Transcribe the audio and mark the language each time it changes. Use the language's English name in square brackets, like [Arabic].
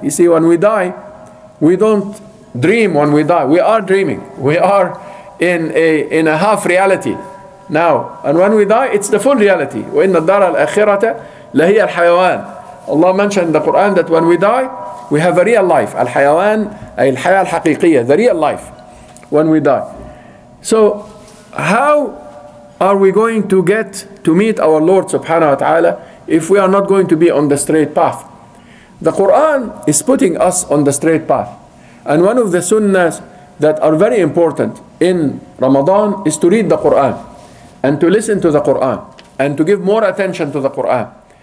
[English] You see, when we die, we don't dream when we die. We are dreaming. We are in a half reality now. And when we die, it's the full reality. [Arabic] وَإِنَّ الدَّارَ الْأَخِرَةَ لَهِيَ الْحَيَوَانَ. [English] Allah mentioned in the Quran that when we die, we have a real life. [Arabic] الحيوان أي الحياة الحقيقية, [English] the real life when we die. So how are we going to get to meet our Lord subhanahu wa ta'ala if we are not going to be on the straight path? The Quran is putting us on the straight path. And one of the sunnahs that are very important in Ramadan is to read the Quran and to listen to the Quran and to give more attention to the Quran.